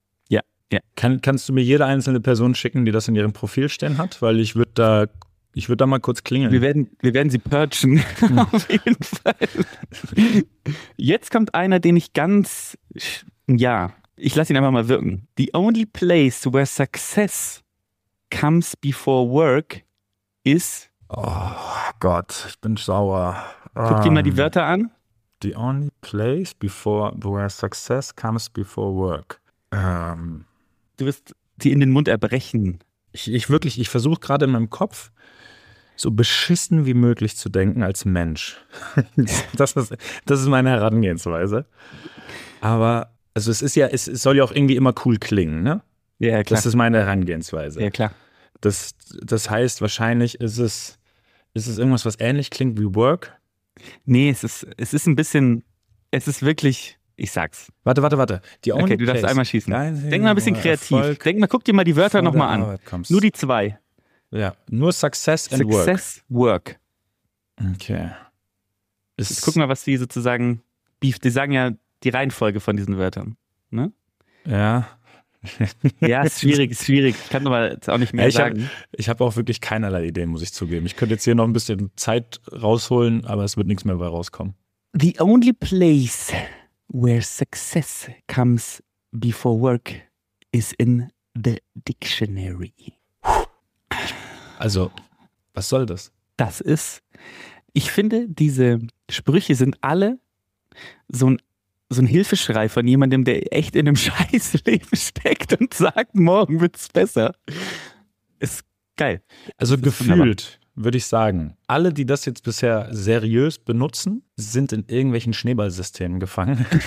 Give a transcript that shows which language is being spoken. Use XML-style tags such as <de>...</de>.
<de>Ja. Yeah. Kannst du mir jede einzelne Person schicken, die das in ihrem Profil stehen hat? Weil ich würde da mal kurz klingeln. Wir werden sie purgen. Auf jeden Fall. Jetzt kommt einer, den ich ganz, ja, ich lasse ihn einfach mal wirken.</de> <en>The only place where success comes before work is.</en> <de>Oh Gott, ich bin sauer. Guck dir mal die Wörter an.</de> <en>The only place where success comes before work.</en> <de>Du wirst sie in den Mund erbrechen. Ich versuche gerade in meinem Kopf, so beschissen wie möglich zu denken als Mensch. Das ist meine Herangehensweise. Aber also es soll ja auch irgendwie immer cool klingen, ne? Ja, klar. Das ist meine Herangehensweise. Ja, klar. Das heißt, wahrscheinlich ist es irgendwas, was ähnlich klingt wie Work? Nee, es ist ein bisschen, es ist wirklich, ich sag's. Warte. Die only place. Du darfst einmal schießen. Denk mal ein bisschen kreativ. Erfolg. Denk mal, guck dir mal die Wörter nochmal an. Kommst. Nur die zwei. Ja, nur Success and Work. Success, Work. Okay. Jetzt guck mal, was die sozusagen, die sagen ja die Reihenfolge von diesen Wörtern, ne? Ja. Ja, ist schwierig. Ich kann aber jetzt auch nicht mehr sagen. Ich hab auch wirklich keinerlei Ideen, muss ich zugeben. Ich könnte jetzt hier noch ein bisschen Zeit rausholen, aber es wird nichts mehr bei rauskommen.</de> <en>The only place where success comes before work is in the dictionary.</en> <de>Also, was soll das? Das ist, ich finde, diese Sprüche sind alle so ein Hilfeschrei von jemandem, der echt in einem Scheißleben steckt und sagt, morgen wird's besser. Ist geil. Also ist gefühlt, würde ich sagen, alle, die das jetzt bisher seriös benutzen, sind in irgendwelchen Schneeballsystemen gefangen.</de>